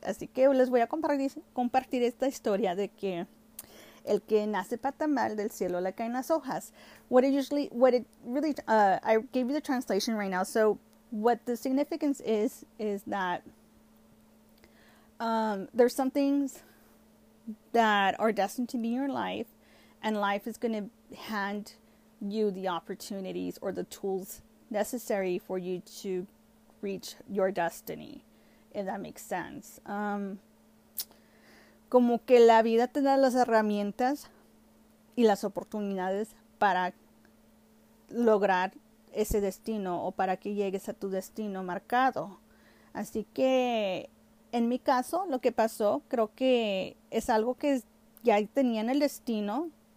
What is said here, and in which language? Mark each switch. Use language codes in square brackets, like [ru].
[es] Así que les voy a compartir esta historia de que el que nace pata mal del cielo le caen las hojas. [en] What it really, I gave you the translation right now. So what the significance is that there's some things that are destined to be in your life, and life is going to hand you the opportunities or the tools necessary for you to reach your destiny, if that makes sense. [es] Como que la vida te da las herramientas y las oportunidades para lograr ese destino o para que llegues a tu destino marcado. Así que en mi caso, lo que pasó, creo que es algo que ya tenía en el destino.